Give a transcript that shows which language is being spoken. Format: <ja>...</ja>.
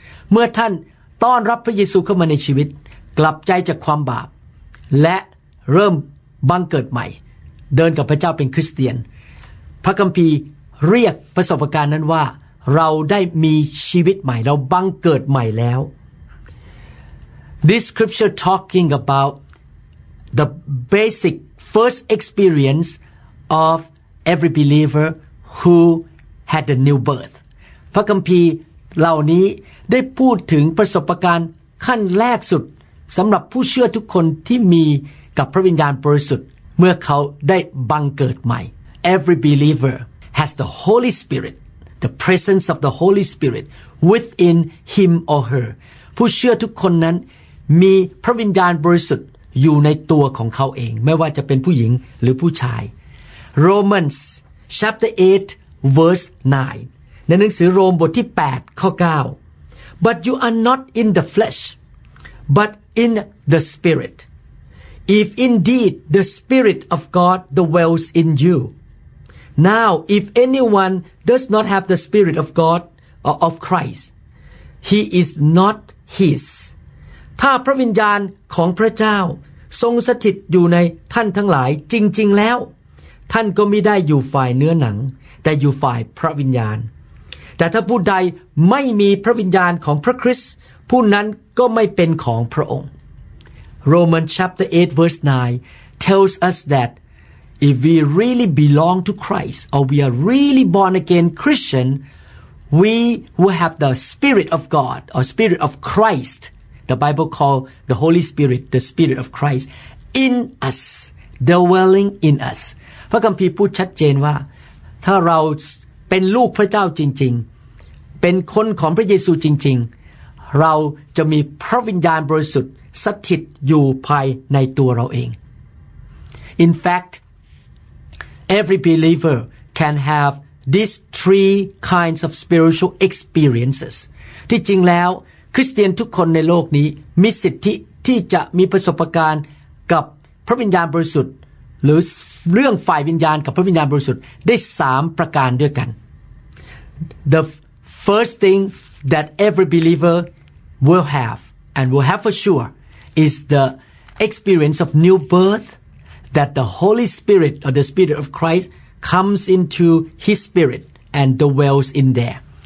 <th>เมื่อท่านต้อนรับพระเยซูเข้ามาในชีวิตกลับใจจากความบาปและเริ่มบังเกิดใหม่เดินกับพระเจ้าเป็นคริสเตียนพระคัมภีร์เรียกประสบการณ์นั้นว่าเราได้มีชีวิตใหม่เราบังเกิดใหม่แล้ว</th> <en>This scripture talking about the basic first experience of every believer who had a new birth</en> <th>พระคัมภีร์เหล่านี้ได้พูดถึงประสบการณ์ขั้นแรกสุดสำหรับผู้เชื่อทุกคนที่มีกับพระวิญญาณบริสุทธิ์เมื่อเขาได้บังเกิดใหม่</th> <en>Every believer has the Holy SpiritThe presence of the Holy Spirit within him or her.</en> <th>ผู้เชื่อทุกคนนั้นมีพระวิญญาณบริสุทธิ์อยู่ในตัวของเขาเองไม่ว่าจะเป็นผู้หญิงหรือผู้ชาย</th> <en>Romans chapter 8 verse 9</en> <th>ในหนังสือโรมบทที่8ข้อ9</th> <en>But you are not in the flesh but in the spirit. If indeed the spirit of God dwells in youNow, if anyone does not have the Spirit of God or of Christ, he is not his.</en> <th>ถ้าพระวิญญาณของพระเจ้าทรงสถิตอยู่ในท่านทั้งหลายจริงๆแล้วท่านก็ไม่ได้อยู่ฝ่ายเนื้อหนังแต่อยู่ฝ่ายพระวิญญาณแต่ถ้าผู้ใดไม่มีพระวิญญาณของพระคริสต์ผู้นั้นก็ไม่เป็นของพระองค์</th> <en>Romans chapter 8 verse 9 tells us thatIf we really belong to Christ, or we are really born again Christian, we will have the Spirit of God, or Spirit of Christ. The Bible calls the Holy Spirit, the Spirit of Christ, in us, dwelling in us.</en> <th>พระคัมภีร์พูดชัดเจนว่าถ้าเราเป็นลูกพระเจ้าจริงๆเป็นคนของพระเยซูจริงๆเราจะมีพระวิญญาณบริสุทธิ์สถิตอยู่ภายในตัวเราเอง</th> <en>In fact,Every believer can have these three kinds of spiritual experiences.</en> <th>ที่จริงแล้วคริสเตียนทุกคนในโลกนี้มีสิทธิที่จะมีประสบการณ์กับพระวิญญาณบริสุทธิ์หรือเรื่องฝ่ายวิญญาณกับพระวิญญาณบริสุทธิ์ได้3ประการด้วยกัน</th> <en>The first thing that every believer will have and will have for sure is the experience of new birthThat the Holy Spirit or the Spirit of Christ comes into His Spirit and dwells in there.</en>